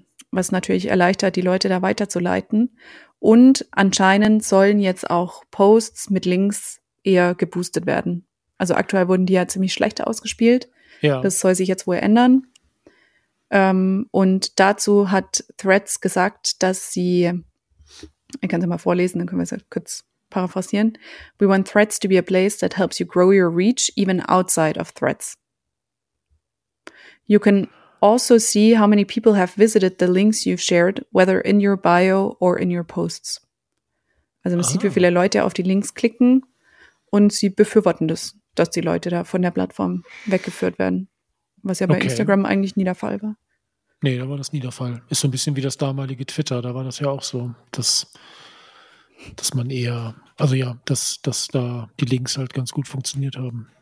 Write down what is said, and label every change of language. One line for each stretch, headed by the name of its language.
German: Was natürlich erleichtert, die Leute da weiterzuleiten. Und anscheinend sollen jetzt auch Posts mit Links eher geboostet werden. Also aktuell wurden die ja ziemlich schlecht ausgespielt. Ja. Das soll sich jetzt wohl ändern. Und dazu hat Threads gesagt, dass sie, ich kann es mal vorlesen, dann können wir es kurz paraphrasieren.
English: We want Threads to be a place that helps you grow your reach even outside of Threads. You can also see how many people have visited the links you've shared, whether in your bio or in your posts.
German: Also man sieht, wie viele Leute auf die Links klicken und sie befürworten das, dass die Leute da von der Plattform weggeführt werden. Was ja bei Instagram eigentlich nie der Fall war. Nee, da war das nie der Fall. Ist so ein bisschen wie das damalige Twitter. Da war das ja auch so, dass man eher, also ja, dass da die Links halt ganz gut funktioniert haben.